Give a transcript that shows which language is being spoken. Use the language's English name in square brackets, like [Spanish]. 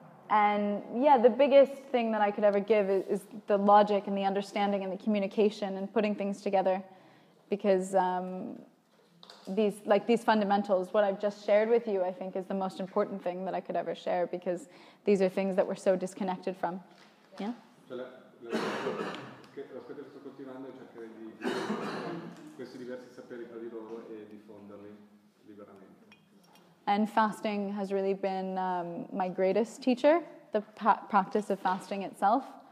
[English] And yeah, the biggest thing that I could ever give is the logic and the understanding and the communication and putting things together, because these fundamentals, what I've just shared with you, I think is the most important thing that I could ever share, because these are things that we're so disconnected from. Yeah. [Italian] L'aspetto che sto coltivando è cercare di questi diversi saperi tra di loro e diffonderli liberamente. [English] And fasting has really been my greatest teacher, the practice of fasting itself.